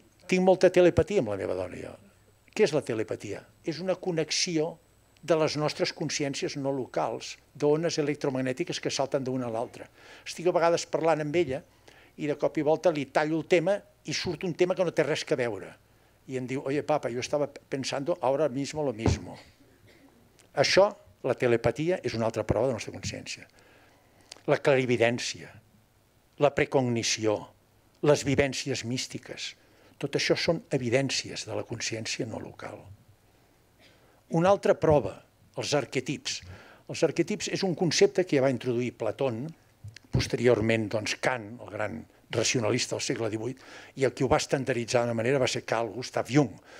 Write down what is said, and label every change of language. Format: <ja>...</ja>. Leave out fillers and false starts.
<ca>Tinc molta telepatia amb la meva dona, jo. Què és la telepatia? És una connexió de les nostres consciències no locals, d'ones electromagnètiques que salten d'una a l'altra. Estic a vegades parlant amb ella i de cop i volta li tallo el tema i surt un tema que no té res a veure. I em diu,</ca> <es>oye papa, yo estaba pensando ahora mismo lo mismo.</es> <ca>Això, la telepatia, és una altra prova de la nostra consciència. La clarividència, la precognició, les vivències místiques, tot això són evidències de la consciència no local. Una altra prova, els arquetips. Els arquetips és un concepte que ja va introduir Platón, posteriorment doncs, Kant, el gran racionalista del segle XVIII, i el que ho va estandarditzar d'una manera va ser Carl Gustav Jung.</ca>